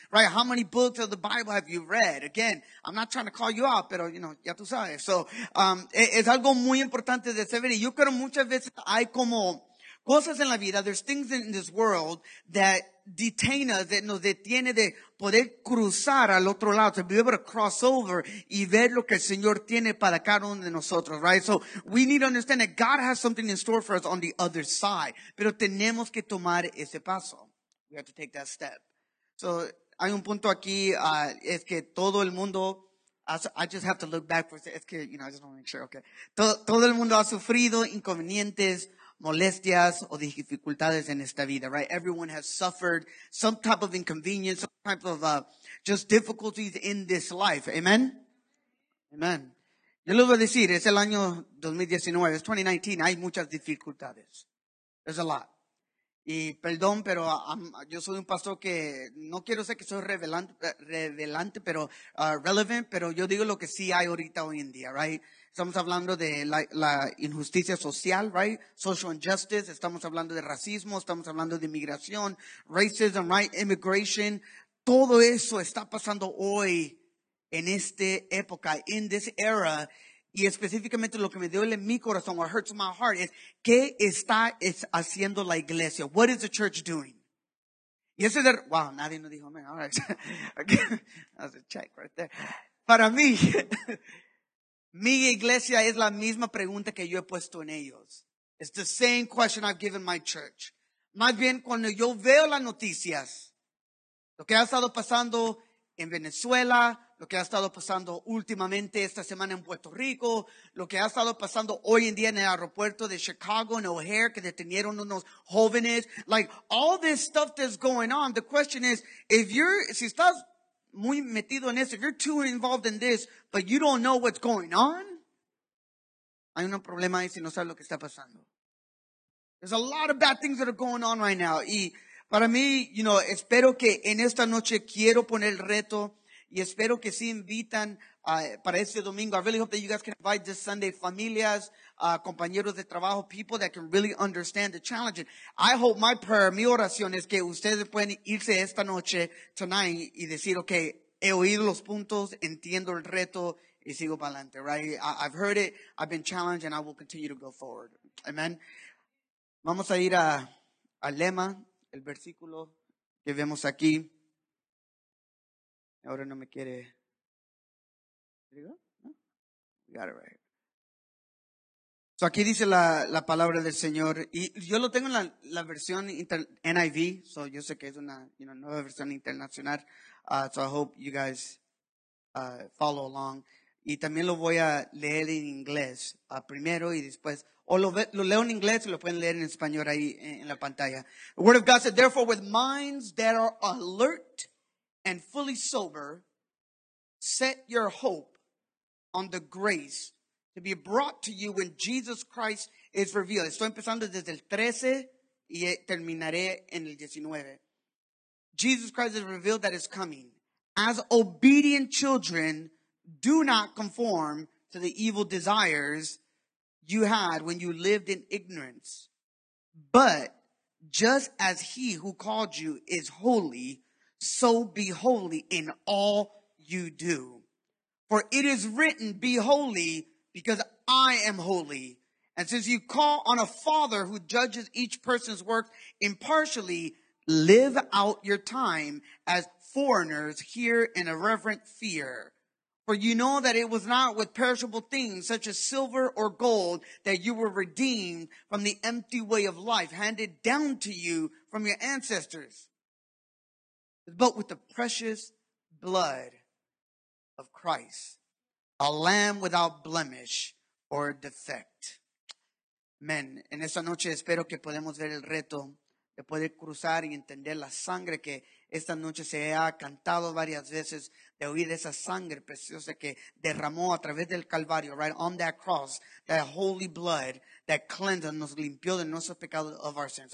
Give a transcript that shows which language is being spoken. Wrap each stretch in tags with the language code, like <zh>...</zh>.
<en>Right, how many books of the Bible have you read? Again, I'm not trying to call you out,</en> <es>pero, you know, ya tú sabes. So, es algo muy importante de saber. Y yo creo muchas veces hay como cosas en la vida,</es> <en>there's things in this world that detain us,</en> <es>that nos detiene de poder cruzar al otro lado,</es> <en>to be able to cross over</en> <es>y ver lo que el Señor tiene para cada uno de nosotros, right?</es> <en>So we need to understand that God has something in store for us on the other side,</en> <es>pero tenemos que tomar ese paso.</es> <en>We have to take that step.</en> <es>So hay un punto aquí, es que todo el mundo,</es> <en>I just have to look back for a second,</en> <es>es que,</es> <en>you know, I just want to make sure, okay.</en> <es>Todo el mundo ha sufrido inconvenientes, molestias o dificultades en esta vida, right?</es> <en>Everyone has suffered some type of inconvenience, some type of just difficulties in this life. Amen? Amen.</en> <es>Yo les voy a decir, es el año 2019, es 2019, hay muchas dificultades.</es> <en>There's a lot.</en> <es>Y perdón, pero yo soy un pastor que no quiero ser que soy relevante, pero relevant, pero yo digo lo que sí hay ahorita hoy en día, right? Estamos hablando de la injusticia social, right?</es> <en>Social injustice.</en> <es>Estamos hablando de racismo. Estamos hablando de inmigración.</es> <en>Racism, right? Immigration.</en> <es>Todo eso está pasando hoy en esta época,</es> <en>in this era.</en> <es>Y específicamente lo que me duele en mi corazón,</es> <en>what hurts my heart,</en> <es>es ¿qué está haciendo la iglesia?</es> <en>What is the church doing?</en> <es>Y eso es de,</es> <en>wow,</en> <es>nadie nos dijo,</es> <en>man, all right. That's a check right there.</en> <es>Para mí, mi iglesia es la misma pregunta que yo he puesto en ellos.</es> <en>It's the same question I've given my church.</en> <es>Más bien, cuando yo veo las noticias, lo que ha estado pasando en Venezuela, lo que ha estado pasando últimamente esta semana en Puerto Rico, lo que ha estado pasando hoy en día en el aeropuerto de Chicago, en O'Hare, que detenieron unos jóvenes.</es> <en>Like, all this stuff that's going on, the question is,</en> <es>si estás muy metido en eso,</es> <en>if you're too involved in this, but you don't know what's going on,</en> <es>hay un problema ahí si no sabes lo que está pasando. There's a lot of bad things that are going on right now. Y para mí, you know, espero que en esta noche quiero poner el reto y espero que sí invitan para este domingo.</es> <en>I really hope that you guys can invite this Sunday</en> <es>familias, compañeros de trabajo,</es> <en>people that can really understand the challenge. I hope my prayer,</en> <es>mi oración es que ustedes pueden irse esta noche,</es> <en>tonight,</en> <es>y decir, okay, he oído los puntos, entiendo el reto, y sigo para adelante, right?</es> <en>I've heard it, I've been challenged, and I will continue to go forward. Amen.</en> <es>Vamos a ir al lema, el versículo que vemos aquí. Ahora no me quiere.</es> <en>There you go. Got it right.</en> <es>So aquí dice la palabra del Señor, y yo lo tengo en la versión NIV, so yo sé que es una, you know, nueva versión internacional, so</es> <en>I hope you guys follow along.</en> <es>Y también lo voy a leer en inglés primero y después, o lo leo en inglés y lo pueden leer en español ahí en la pantalla.</es> <en>The Word of God said, therefore with minds that are alert and fully sober, set your hope on the grace to be brought to you when Jesus Christ is revealed.</en> <es>Estoy empezando desde el 13 y terminaré en el 19.</es> <en>Jesus Christ is revealed that is coming. As obedient children, do not conform to the evil desires you had when you lived in ignorance. But just as he who called you is holy, so be holy in all you do. For it is written, be holy because I am holy. And since you call on a father who judges each person's work impartially, live out your time as foreigners here in a reverent fear. For you know that it was not with perishable things such as silver or gold that you were redeemed from the empty way of life handed down to you from your ancestors, but with the precious blood of Christ, a lamb without blemish or defect. Amen.</en> <es>En esta noche espero que podamos ver el reto de poder cruzar y entender la sangre que esta noche se ha cantado varias veces, de oír esa sangre preciosa que derramó a través del Calvario, right,</es> <en>on that cross, that holy blood that cleansed and</en> <es>nos limpió de nuestros pecados,</es> <en>of our sins.</en>